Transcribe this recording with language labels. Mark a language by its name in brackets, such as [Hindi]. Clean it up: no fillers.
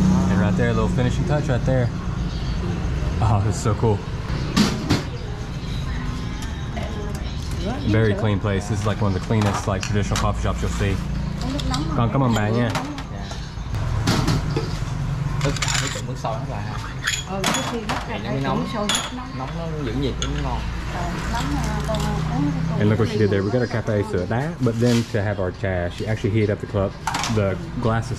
[English] And right there, a little finishing touch right there. Oh, this is so cool. Very clean place. This is like one of the cleanest like traditional coffee shops you'll see. [Vietnamese] Còn cảm ơn bạn nha. Tất cả mấy chỗ nước sôi hết rồi ha. Nóng nó giữ nhiệt cũng ngon. [English] And look what she did there. We got a cafe sữa đá, but then to have our chà, she actually heated up the cup, the glasses.